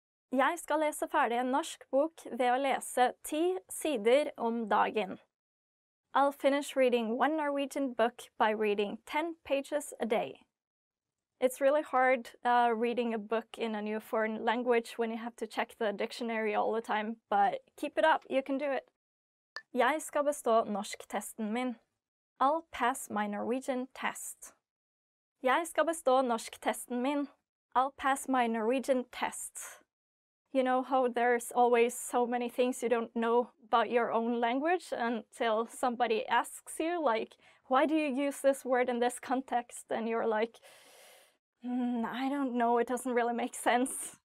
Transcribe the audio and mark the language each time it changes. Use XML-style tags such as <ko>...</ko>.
<no>Jeg skal lese ferdig en norsk bok ved å lese 10 sider om dagen.</no> <en>I'll finish reading one Norwegian book by reading 10 pages a day. It's really hard reading a book in a new foreign language when you have to check the dictionary all the time, but keep it up, you can do it.</en> <no>Jeg skal bestå norsktesten min.</no> <en>I'll pass my Norwegian test.</en> <no>Jeg skal bestå norsktesten min.</no> <en>I'll pass my Norwegian test. You know how there's always so many things you don't know about your own language until somebody asks you, like, why do you use this word in this context? And you're like, I don't know, it doesn't really make sense.</en>